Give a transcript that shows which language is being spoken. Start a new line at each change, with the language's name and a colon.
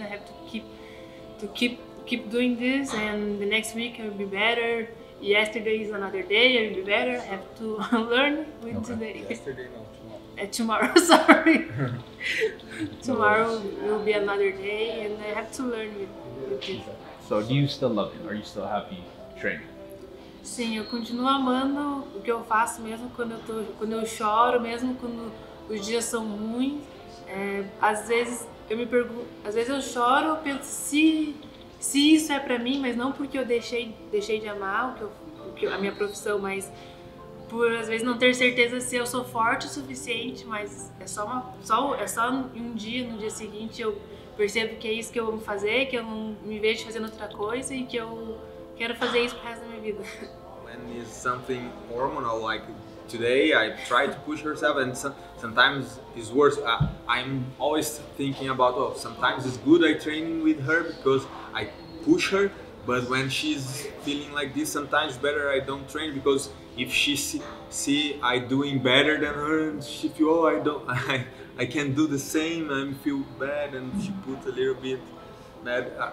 English: I have to keep doing this, and the next week I will be better. Yesterday is another day. I will be better. I have to learn with today. Yesterday, not tomorrow. Tomorrow will be another day, and I have to learn with this. So, do you still love it? Are you still happy training?
Portuguese: Sim, eu continuo amando o que eu faço, mesmo quando eu choro, mesmo quando os dias são ruins. Às vezes eu choro, penso se isso é para mim, mas não porque eu deixei de amar a minha profissão, mas por às vezes não ter certeza se eu sou forte o suficiente. Mas é só um dia, no dia seguinte eu percebo que é isso que eu amo fazer, que eu não me vejo fazendo outra coisa e que eu quero fazer isso pro resto da minha vida.
English: When is something hormonal, like today I try to push herself, and sometimes it's worse. I'm always thinking about, oh, sometimes it's good I train with her because I push her, but when she's feeling like this, sometimes better I don't train, because if she see I doing better than her, and she feel, oh, I can't do the same, I feel bad, and she put a little bit bad.